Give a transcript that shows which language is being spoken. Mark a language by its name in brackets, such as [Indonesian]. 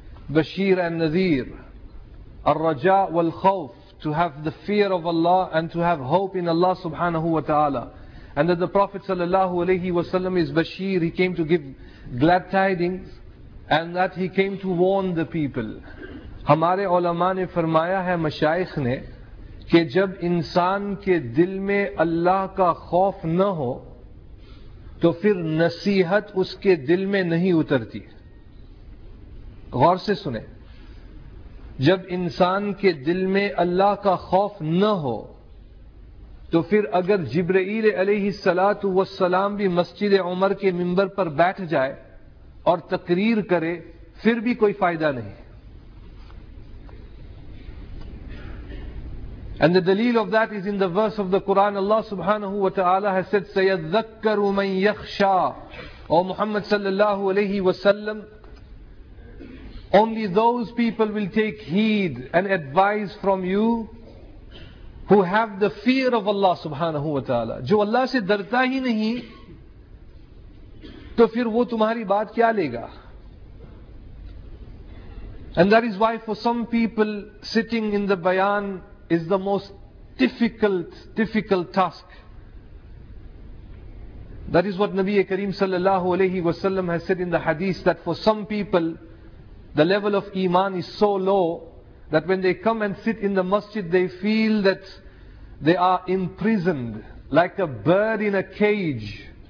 [English] Bashir and Nazir. Ar-Raja wal-Khawf. To have the fear of Allah and to have hope in Allah subhanahu wa ta'ala. And that the Prophet sallallahu alayhi wa sallam is Bashir. He came to give glad tidings. And that he came to warn the people. [Urdu] Hamare ulama ne farmaya hai, mashayikh ne, کہ جب انسان کے دل میں اللہ کا خوف نہ ہو تو پھر نصیحت اس کے دل میں نہیں اترتی. غور سے سنیں, جب انسان کے دل میں اللہ کا خوف نہ ہو تو پھر اگر جبرائیل علیہ السلام بھی مسجد عمر کے منبر پر بیٹھ جائے اور تقریر کرے, پھر بھی کوئی فائدہ نہیں. [English] And the dalil of that is in the verse of the Quran. Allah subhanahu wa ta'ala has said, [Arabic] سَيَذَّكَّرُ مَنْ يَخْشَى. [English] O Muhammad sallallahu alayhi wa sallam, only those people will take heed and advise from you who have the fear of Allah subhanahu wa ta'ala. [Urdu] جو اللہ سے درتا ہی نہیں تو پھر وہ تمہاری بات کیا لے گا. [English] And that is why for some people sitting in the bayan is the most difficult task. That is what Nabi Kareem sallallahu alayhi wa sallam has said in the hadith, that for some people the level of iman is so low that when they come and sit in the masjid they feel that they are imprisoned like a bird in a cage.